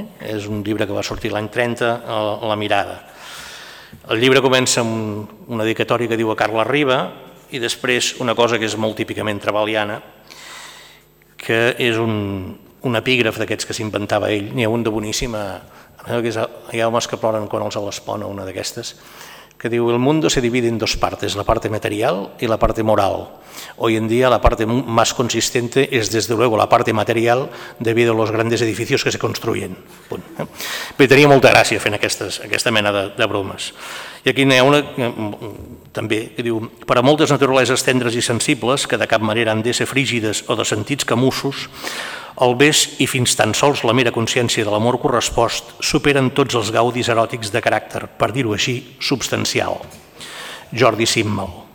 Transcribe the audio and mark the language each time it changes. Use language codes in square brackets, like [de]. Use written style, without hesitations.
[ca] És un llibre que va sortir l'any 30, La mirada. El llibre comença amb una dedicatòria que diu a Carla Riba i després una cosa que és molt típicament trabaliana, que és un epígraf d'aquests que s'inventava ell. N'hi ha un de boníssim, que és, hi ha homes que ploren quan els l'espon a una d'aquestes, que diu, [es] el mundo se divide en 2 partes, la parte material y la parte moral. Hoy en día la parte más consistente es desde luego la parte material debido a los grandes edificios que se construyen. [ca] Punt. Però tenia molta gràcia fent aquesta mena de bromes. I aquí n'hi ha una, també, que diu, per a moltes naturaleses tendres i sensibles, que de cap manera han de ser frígides o de sentits camussos, el ves i fins tan sols la mera consciència de l'amor correspost superen tots els gaudis eròtics de caràcter, per dir-ho així, substancial. Jordi Simmel.